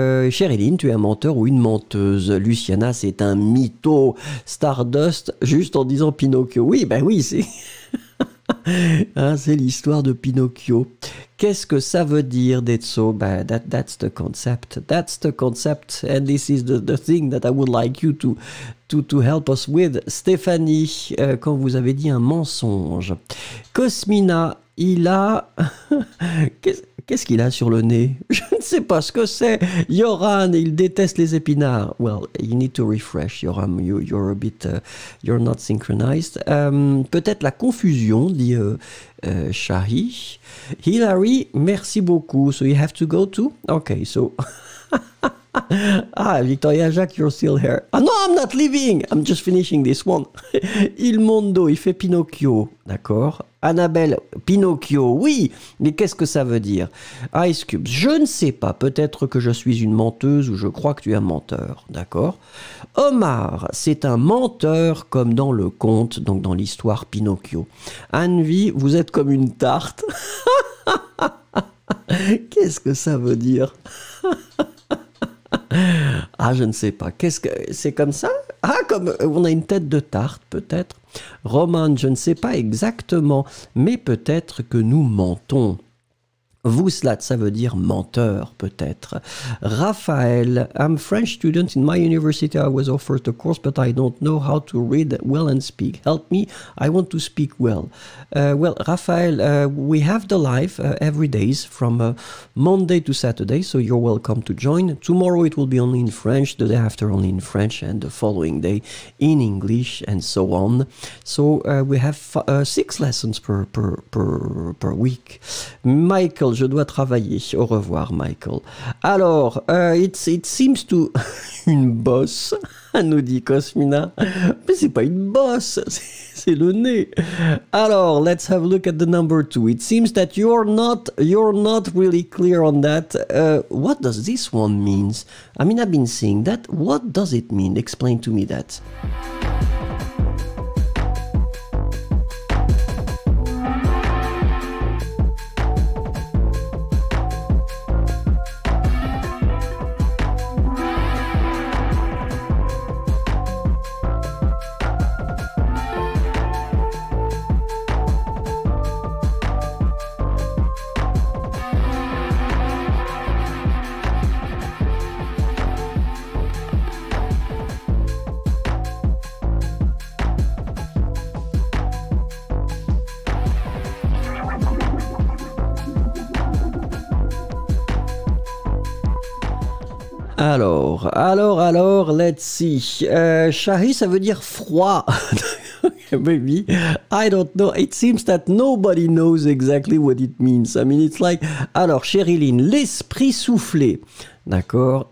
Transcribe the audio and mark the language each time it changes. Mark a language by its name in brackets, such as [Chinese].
[French] Cheryline, tu es un menteur ou une menteuse. Luciana, c'est un mytho. Stardust, juste en disant Pinocchio. Oui, ben oui, c'est... Hein, c'est l'histoire de Pinocchio. Qu'est-ce que ça veut dire, Detso? [English] Bah, that's the concept. That's the concept. And this is the thing that I would like you to help us with. [French] Stéphanie, quand vous avez dit un mensonge. Cosmina, il a... Qu'est-ce qu'il a sur le nez? Je ne sais pas ce que c'est. Yoram, il déteste les épinards. [English] Well, you need to refresh, Yoram. You're a bit... you're not synchronized. [French] Peut-être la confusion, dit Shahi. [English] Hilary, [French] merci beaucoup. [English] So you have to go too? Okay, so... Ah, Victoria Jacques, you're still here. [French] Ah non, [English] I'm not leaving. I'm just finishing this one. [French] Il Mondo, il fait Pinocchio. D'accord. Annabelle, Pinocchio, oui. Mais qu'est-ce que ça veut dire? Ice Cube, je ne sais pas. Peut-être que je suis une menteuse ou je crois que tu es un menteur. D'accord. Omar, c'est un menteur comme dans le conte, donc dans l'histoire Pinocchio. Anvi, vous êtes comme une tarte. Qu'est-ce que ça veut dire? Ah, je ne sais pas. Qu'est-ce que c'est comme ça? Ah, comme on a une tête de tarte, peut-être. Roman, je ne sais pas exactement, mais peut-être que nous mentons. Vouslat, ça veut dire menteur, peut-être. [English] Raphaël, I'm a French student in my university. I was offered a course, but I don't know how to read well and speak. Help me, I want to speak well. Well, Raphaël, we have the live every days from Monday to Saturday, so you're welcome to join. Tomorrow it will be only in French, the day after only in French, and the following day in English, and so on. So we have six lessons per week. Michael, [French] je dois travailler. Au revoir, Michael. Alors, [English] it seems to... [French] une bosse, nous dit Cosmina. Mais c'est pas une bosse, c'est le nez. [English] Alors, let's have a look at the number two. It seems that you're not really clear on that. What does this one mean? I mean, I've been seeing that. What does it mean? Explain to me that. [French] Alors, let's see. Shahi, ça veut dire froid. [English] Maybe. I don't know. It seems that nobody knows exactly what it means. I mean, it's like... [French] Alors, Cheryline, l'esprit soufflé. D'accord.